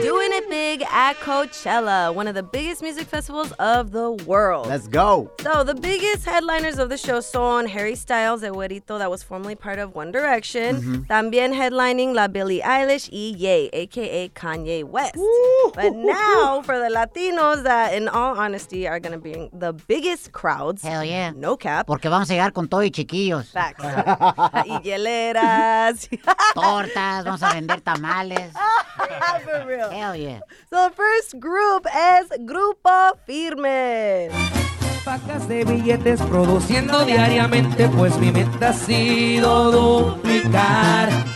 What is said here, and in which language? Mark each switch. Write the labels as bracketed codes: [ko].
[en] Doing it big at Coachella, one of the biggest music festivals of the world. Let's go. So the biggest headliners of the show son Harry Styles, El Güerito, that was formerly part of One Direction. Mm-hmm. [es] También headlining La Billie Eilish y Ye, a.k.a. [en] Kanye West. Ooh. But now for the Latinos that, in all honesty, are going to be the biggest crowds. Hell yeah. No cap. [es] Porque vamos a llegar con todo y chiquillos. [en] Facts. Higueleras. [es] Tortas. Vamos a vender tamales. [en] For real. Hell yeah. So the first group is Grupo Firme. [es] pacas de billetes produciendo diariamente, pues mi meta ha sido duplicar.